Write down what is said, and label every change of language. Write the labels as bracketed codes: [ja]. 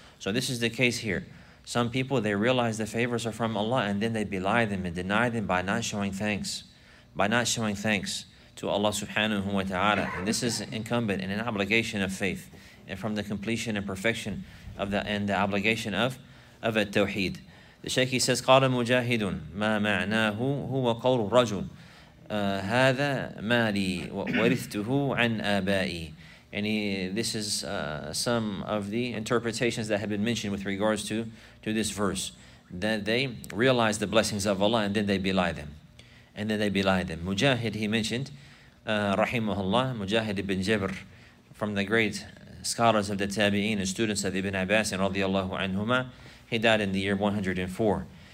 [en] So this is the case here. Some people, they realize the favors are from Allah, and then they belie them and deny them by not showing thanks, by not showing thanks to Allah subhanahu wa ta'ala. And this is incumbent and an obligation of faith, and from the completion and perfection of the and the obligation of a tawheed. [ar] The shaykh, he says, قَالَ مُجَاهِدٌ مَا مَعْنَاهُ هُوَ قَوْلُ رَجُلٌ هَذَا مَا لِي وَرِثْتُهُ عَنْ آبَائِي. [en] And this is some of the interpretations that have been mentioned with regards to this verse. That they realize the blessings of Allah and then they belie them. And then they belie them. Mujahid, he mentioned, rahimahullah, Mujahid ibn Jabr, from the great scholars of the Tabi'een and students of Ibn Abbas and radiyallahu anhumah, he died in the year 104.